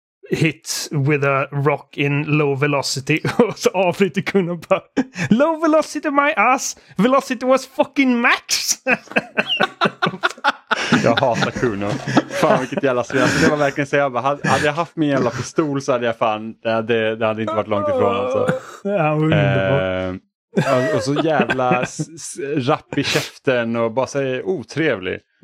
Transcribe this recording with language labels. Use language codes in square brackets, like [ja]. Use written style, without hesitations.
[en] hits with a rock in low velocity. [sv] Och så avbryter kunden och bara, [en] low velocity my ass! Velocity was fucking max! [sv] Jag hatar Kuno. Fan vilket jävla svin. Alltså, det var verkligen så jag bara, hade jag haft min jävla pistol så hade jag fan, det hade inte varit långt ifrån alltså. Ja, och så jävla rapp i käften och bara så otrevlig.